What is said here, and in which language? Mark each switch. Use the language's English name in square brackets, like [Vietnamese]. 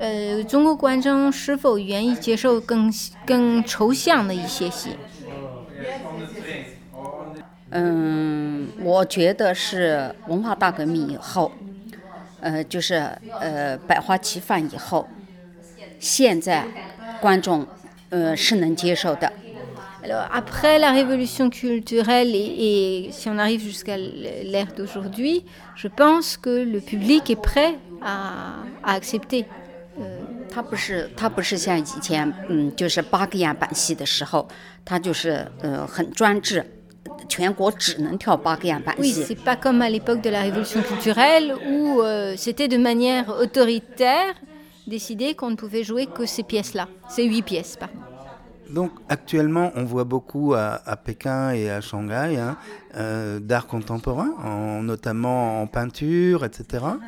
[French] Les Chinois sont-ils prêts à accepter des spectacles plus abstraits ? [Chinese] 我觉得是文化大革命以后，就是百花齐放以后，现在观众是能接受的。 [French] Alors, après la révolution culturelle et si on arrive jusqu'à l'ère d'aujourd'hui, je pense que le public est prêt à accepter. [Chinese] 他不是像以前，就是巴格扬版戏的时候，他就是很专制，全国只能跳巴格扬版戏。 [French] Oui, c'est pas comme à l'époque de la révolution culturelle où c'était de manière autoritaire décidé qu'on ne pouvait jouer que ces pièces-là, ces 8 pièces, pardon. Donc actuellement, on voit beaucoup à Pékin et à Shanghai hein, d'art contemporain, notamment en peinture, etc.